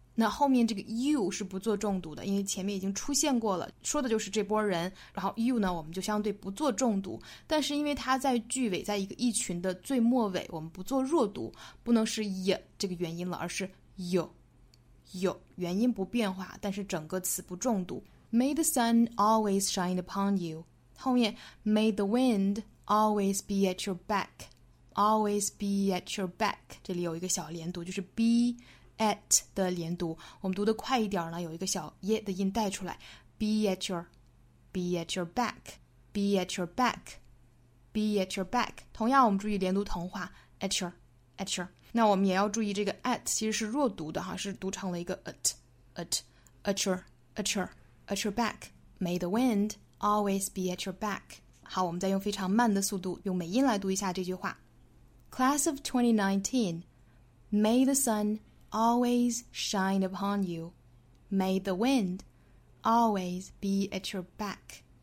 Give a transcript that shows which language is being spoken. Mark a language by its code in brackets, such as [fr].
[zh] 那后面这个 you 是不做重读的，因为前面已经出现过了，说的就是这波人。然后 you 呢，我们就相对不做重读。但是因为它在句尾，在一个一群的最末尾，我们不做弱读，不能是 y 这个元音了，而是 you you 元音不变化，但是整个词不重读。 [en] May the sun always shine upon you. 后面 May the wind always be at your back, always be at your back. [zh] 这里有一个小连读，就是 be at 的连读。我们读的快一点呢，有一个小 ye 的音带出来。 [en] Be at your, be at your back, be at your back, be at your back. [zh] 同样，我们注意连读同化 at your, at your。那我们也要注意这个 at 其实是弱读的哈，是读成了一个 at, at, at your, at your, at your back. May the wind. [en] Always be at your back. [zh] 好，我们再用非常慢的速度用美音来读一下这句话。 [en] Class of 2019, may the sun always shine upon you. May the wind always be at your back.